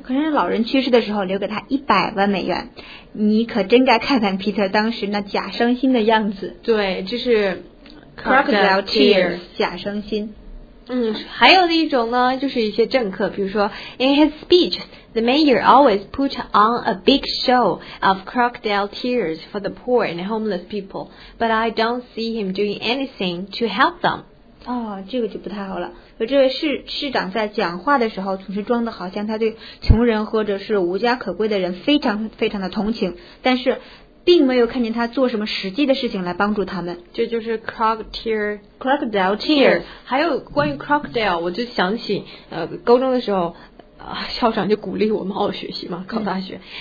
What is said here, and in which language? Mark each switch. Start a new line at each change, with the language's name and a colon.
Chinese: 可是老人去世的时候留给他$1,000,000，你可真该看看 Peter 当时那假伤心的样子。对，这是
English: crocodile tears，
Chinese: 假伤心。还有的一种呢，就是一些政客，比如说
English: In his speech, the mayor always put on a big show of crocodile tears for the poor and homeless people, but I don't see him doing anything to help them.
Chinese: 这个就不太好了。这位市长在讲话的时候总是装得好像他对穷人或者是无家可归的人非常非常的同情，但是并没有看见他做什么实际的事情来帮助他们。这就是
English: crocodile tear。
Chinese: 还有关于 crocodile， 我就想起高中的时候校长就鼓励我们好好学习嘛，考大学。